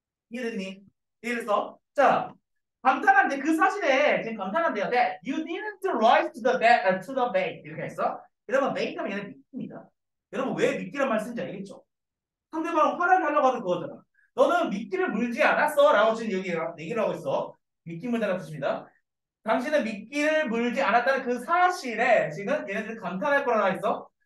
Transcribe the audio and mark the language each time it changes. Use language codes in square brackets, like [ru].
[ko] 이해됐니? 이해됐어? 자, 감탄한데 그 사실에 지금 감탄한데요. [en] You didn't rise to the bait 이렇게 했어. [ko] 여러분 bait하면 얘는 미끼입니다. 여러분 왜 미끼란 말 쓰는지 알겠죠? 상대방은 화를 달라고 하는 거잖아. 너는 미끼를 물지 않았어 라고 지금 얘기를 하고 있어. 미끼 물다는 뜻입니다. 당신은 미끼를 물지 않았다는 그 사실에 지금 얘네들 감탄할 거라고 했어.